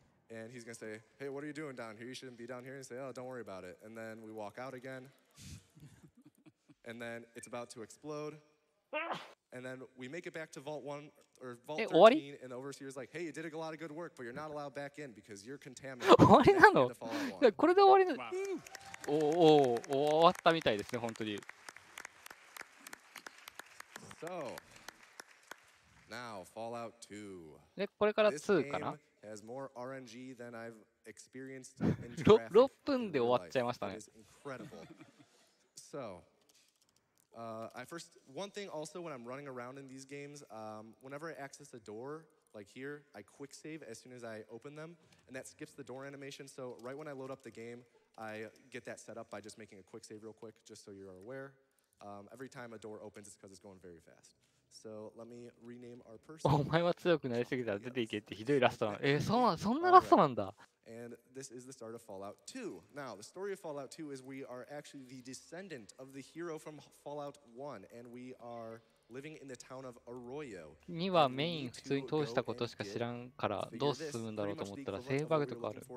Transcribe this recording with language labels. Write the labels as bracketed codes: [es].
[en] And he's gonna say, hey, what are you doing down here? You shouldn't be down here. And say, oh, don't worry about it. And then we walk out again. And then it's about to explode. And then we make it back to Vault 1 or Vault 13. And the overseer's like, hey, you did a lot of good work, but you're not allowed back in because you're contaminated. [ja] 終わりなの？これで終わりなの？おお、終わったみたいですね、本当に。 [en] So, now Fallout 2. [ja] で、これから2かな？ [en] has more RNG than I've experienced in traffic. [ja] 6分で終わっちゃいましたね。 [en] It is incredible. So,I first, one thing also when I'm running around in these games, whenever I access a door, like here, I quick save as soon as I open them, and that skips the door animation. So right when I load up the game, I get that set up by just making a quick save real quick, just so you're aware. Every time a door opens, it's because it's going very fast. So let me rename our person. [ja] お前は強くなりすぎたら出ていけってひどいラストなの。そんなラストなんだ。 [en] And this is the start of Fallout 2. Now, the story of Fallout 2 is we are actually the descendant of the hero from Fallout 1, and we are living in the town of Arroyo. [ja] 2はメイン普通に通したことしか知らんから、どう進むんだろうと思ったら、セーブバグとかある。